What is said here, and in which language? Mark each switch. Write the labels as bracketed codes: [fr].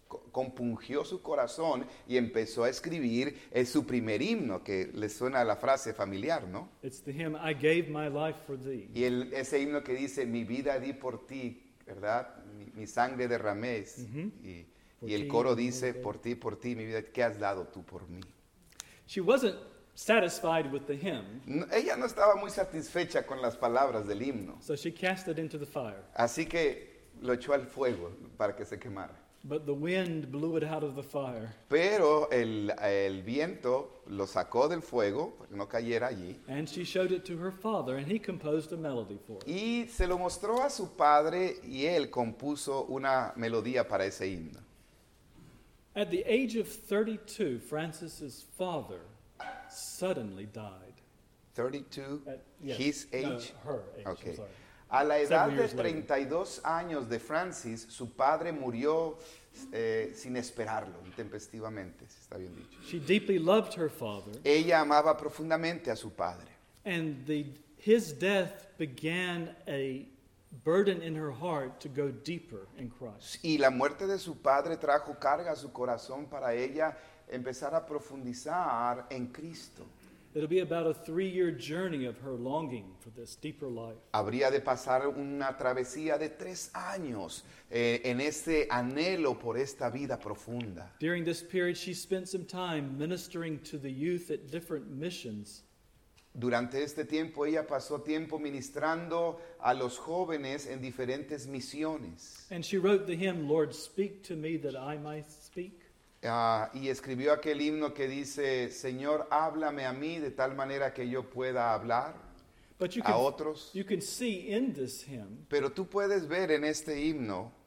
[es] Compungió su corazón y empezó a escribir su primer himno, que le suena a la frase familiar, ¿no? [en] It's the hymn, I gave my life for thee. [es] Y el, ese himno que dice, mi vida di por ti, ¿verdad? Mi sangre derramé. Mm-hmm. Y el coro dice, por ti, mi vida, ¿qué has dado tú por mí? [en] She wasn't satisfied with the hymn. [es] No, ella no estaba muy satisfecha con las palabras del himno. [en] So she cast it into the fire. [es] Así que lo echó al fuego para que se quemara. [en] But the wind blew it out of the fire. [es] Pero el viento lo sacó del fuego, no cayera allí. [en] And she showed it to her father, and he composed a melody for it. [es] Y se lo mostró a su padre, y él compuso una melodía para ese himno. [en] At the age of 32, Francis's father suddenly died. 32? Yes, his age? No, her age, okay. I'm sorry. [es] A la edad de 32 años de Francis, su padre murió sin esperarlo, intempestivamente, si está bien dicho. [en] She deeply loved her father. [es] Ella amaba profundamente a su padre. [en] And his death began a burden in her heart to go deeper in Christ. [es] Y la muerte de su padre trajo carga a su corazón para ella empezar a profundizar en Cristo. [en] It'll be about a 3-year journey of her longing for this deeper life. [es] Habría de pasar una travesía de 3 años en este anhelo por esta vida profunda. [en] During this period, she spent some time ministering to the youth at different missions. [es] Durante este tiempo, ella pasó tiempo ministrando a los jóvenes en diferentes misiones. [en] And she wrote the hymn, Lord, speak to me that I might speak. [es] Y escribió aquel himno que dice, Señor, háblame a mí de tal manera que yo pueda hablar a otros. [en] You can see in this hymn, [es] pero tú puedes ver en este himno